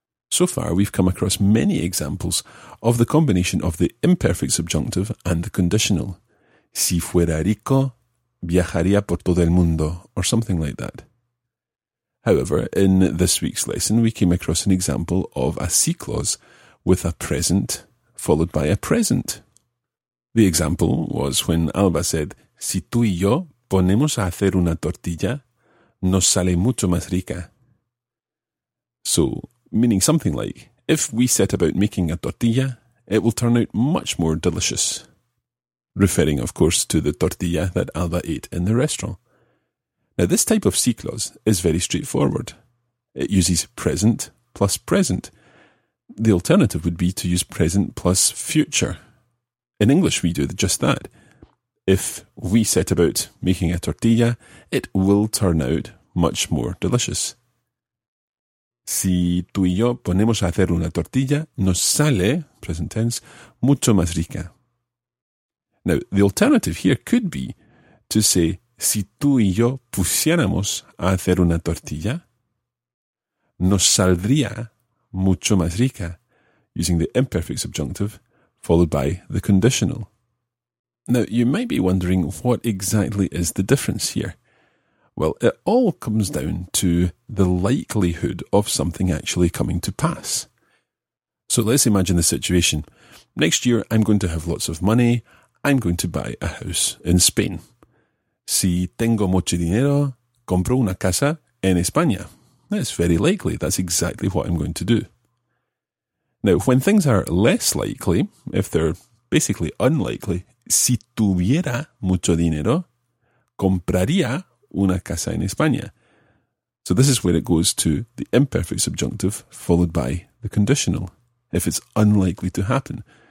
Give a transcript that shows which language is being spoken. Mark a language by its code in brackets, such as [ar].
[en] So far, we've come across many examples of the combination of the imperfect subjunctive and the conditional. [es] Si fuera rico, viajaría por todo el mundo, [en] or something like that. However, in this week's lesson, we came across an example of a si clause with a present followed by a present. The example was when Alba said, [es] si tú y yo ponemos a hacer una tortilla, nos sale mucho más rica. [en] So, meaning something like, if we set about making a tortilla, it will turn out much more delicious. Referring, of course, to the tortilla that Alba ate in the restaurant. Now, this type of si clause is very straightforward. It uses present plus present. The alternative would be to use present plus future. In English, we do just that. If we set about making a tortilla, it will turn out much more delicious. [es] Si tú y yo ponemos a hacer una tortilla, nos sale, present tense, mucho más rica. [en] Now, the alternative here could be to say, [es] si tú y yo pusiéramos a hacer una tortilla, nos saldría mucho más rica, [en] using the imperfect subjunctive followed by the conditional. Now, you might be wondering what exactly is the difference here. Well, it all comes down to the likelihood of something actually coming to pass. So let's imagine the situation. Next year, I'm going to have lots of money. I'm going to buy a house in Spain. [es] Si tengo mucho dinero, compro una casa en España. [en] That's very likely. That's exactly what I'm going to do. Now, when things are less likely, if they're basically unlikely, [es] si tuviera mucho dinero, compraría una casa en España. [en] So this is where it goes to the imperfect subjunctive followed by the conditional, if it's unlikely to happen.